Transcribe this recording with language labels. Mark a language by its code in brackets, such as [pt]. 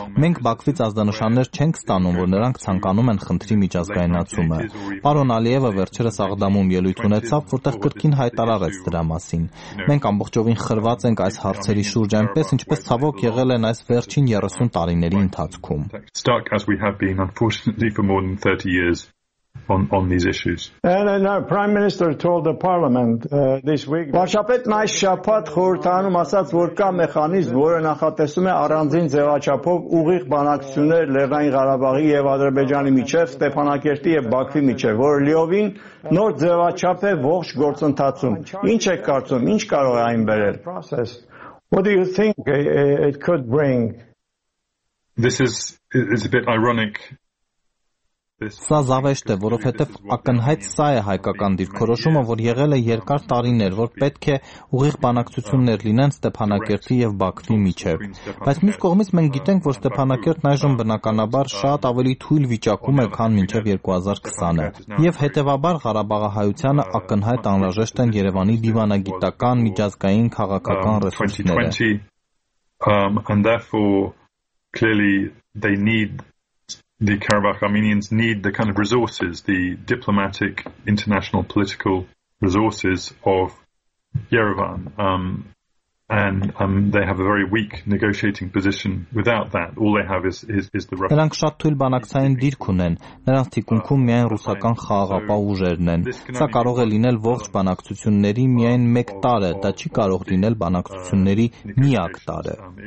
[hy] Մենք Բաքվից ազդանշաններ չենք ստանում, որ նրանք ցանկանում են խնդրի միջազգայնացումը։ Պարոն Ալիևը վերջերս Աղդամում ելույթ ունեցավ, որտեղ կրկին հայտարարեց դրա մասին։ Մենք ամբողջովին խրված ենք այս հարցերի շուրջ, այնպես ինչպես ցավոք եղել են այս վերջին 30 տարիների ընթացքում։ [en] Stuck as we have been unfortunately for more than 30 years on these issues. And our prime minister told the parliament this week. [hy] Վարշավայում այս շաբաթ խորհրդանում ասաց, որ կա մեխանիզմ, որը նախատեսում է առանձին ձևաչափով ուղիղ բանակցություններ Լեռնային Ղարաբաղի եւ Ադրբեջանի միջեւ, Ստեփանակերտի եւ Բաքվի միջեւ, որը լիովին նոր ձևաչափ է ողջ գործընթացում։ Ինչ է կարծում, ինչ կարող է այն բերել? [en] What do you think it could bring? This is a bit ironic. [hy] Սա զավեշտ է, որովհետև ակնհայտ սա է հայկական դիրքորոշումը, որ եղել է երկար տարիներ, որ պետք է ուղիղ բանակցություններ լինեն Ստեփանակերտի եւ Բաքվի միջեւ։ Բայց մյուս կողմից մենք գիտենք, որ Ստեփանակերտն այժմ բնականաբար շատ ավելի թույլ վիճակում է, քան մինչեւ 2020-ը, եւ հետեւաբար Ղարաբաղի հայությունը ակնհայտ անհրաժեշտ են Երևանի դիվանագիտական միջազգային քաղաքական ռեսուրսները։ [en] And therefore clearly they need the Karabakh Armenians need the kind of resources, the diplomatic, international, political resources of Yerevan. They have a very weak negotiating position without that. All they have is the Russian. [hy] Նրանք շատ թույլ բանակցային դիրք ունեն, նրանց թիկունքում միայն ռուսական խաղաղապահ ուժերն են։ Սա կարող է լինել ողջ բանակցությունների միայն մեկ տարը, դա չի կարող լինել բանակցությունների միակ տարը։